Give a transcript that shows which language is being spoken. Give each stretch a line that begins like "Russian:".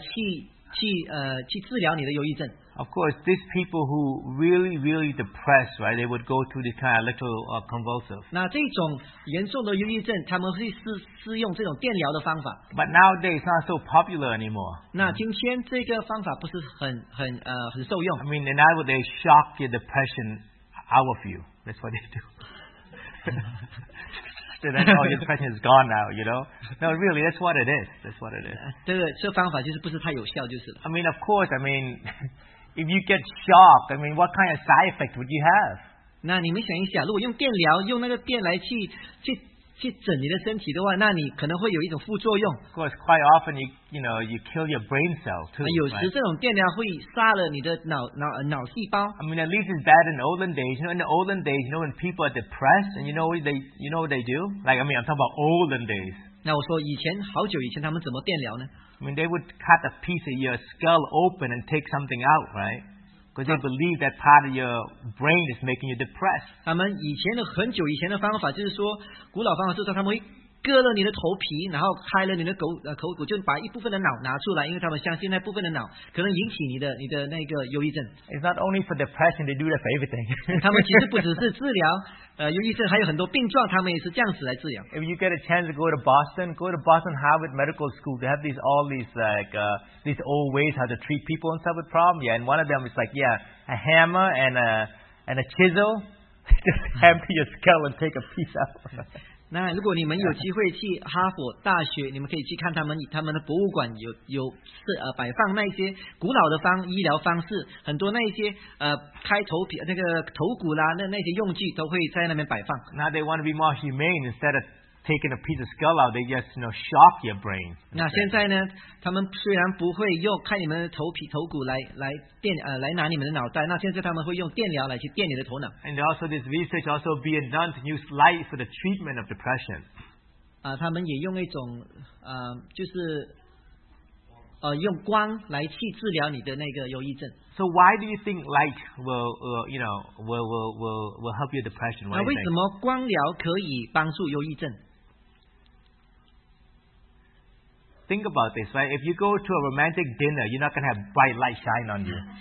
Chinese: 那这个方法就是比较治疗方法比较少人知道，就是说他们用一种化学的那种电疗来去治疗你的忧郁症。
English: Of course, these people who really, really depressed, right? They would go to this kind of electroconvulsive.
Chinese: 那这种严重的忧郁症，他们会试用这种电疗的方法。
English: But nowadays, it's not so popular anymore.
Chinese: 那今天这个方法不是很受用。
English: I mean, nowadays, they shock your depression out of you. That's what they do. fast, and then all your depression is gone now, you know? No, really, that's what it is. That's what it is.
Chinese: 对, 这方法就是不是太有效就是了。
English: I mean, of course, I mean, if you get shocked, I mean, what kind of side effect would you have?
Chinese: 那你们想一想, 如果用电疗, 用那个电来去整你的身体的话, 那你可能会有一种副作用。
English: Of course, quite often, you kill your brain cell, too.
Chinese: 有时这种电疗会杀了你的脑细胞。
English: I mean, at least it's bad in the olden days. You know, in the olden days, you know, when people are depressed, and you know what they do? Like, I mean, I'm talking about olden days.
Chinese: 那我说以前, 好久以前, 他们怎么电疗呢?
English: I mean, they would cut a piece of your skull open and take something out, right? Because they believe that part of your brain is making you depressed.
Chinese: 他们以前的很久以前的方法就是说, 古老方法就是说他们会割了你的头皮, 然后开了你的口骨, 就把一部分的脑拿出来, 因为他们相信那部分的脑, 可能引起你的那个忧郁症。
English: It's not only for depression, they do that for everything.
Chinese: 他们其实不只是治疗, 忧郁症, 还有很多病状, 他们也是这样子来治疗。
English: If you get a chance to go to Boston, go to Boston Harvard Medical School. They have these all these like these old ways how to treat people and stuff with problems. Yeah, and one of them is like, yeah, a hammer and a chisel. Just hammer your skull and take a piece out.
Chinese: 那如果你们有机会去哈佛大学, 你们可以去看他们的博物馆, 有摆放那些古老的医疗方式, 很多那些, 开头皮, 那个头骨啦, 那些用具, 都会在那边摆放。
English: Now they want to be more humane. Instead of taking a piece of skull out, they just, you know, shock your brain.
Chinese: 那现在呢, 他们虽然不会用, 看你们的头皮, 头骨来, 来电, 来拿你们的脑袋, 那现在他们会用电疗来去电你的头脑。
English: And also this research also being done to use light for the treatment of depression.
Chinese: 他们也用一种, 就是, 用光来去治疗你的那个忧郁症。
English: So why do you think light will help your depression?
Chinese: 那为什么光疗可以帮助忧郁症?
English: Think about this, right? If you go to a romantic dinner, you're not going to have bright light shine on you.